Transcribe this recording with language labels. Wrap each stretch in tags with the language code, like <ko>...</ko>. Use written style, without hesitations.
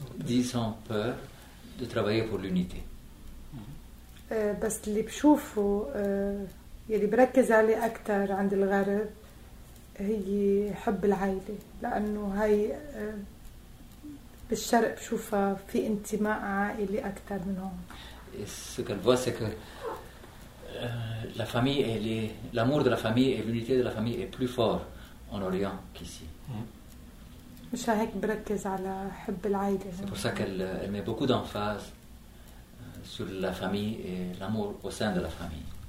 <fr>Dis sans peur de travailler pour l'unité.</fr> <ar>بس اللي بشوفه يلي بركز عليه أكتر عند الغرب هي حب العائلة لأنه هاي بالشرق بشوفها في انتماء عائلي أكتر من هون.</ar> <fr>Ce qu'elle voit c'est que la famille et l'amour de la famille et l'unité de la famille est plus fort en Orient qu'ici.</fr> <ar>مش هيك بركز على حب العائلة.</ar> <fr>C'est pour ça qu'elle met beaucoup d'emphase sur la famille et l'amour au sein de la famille.</fr>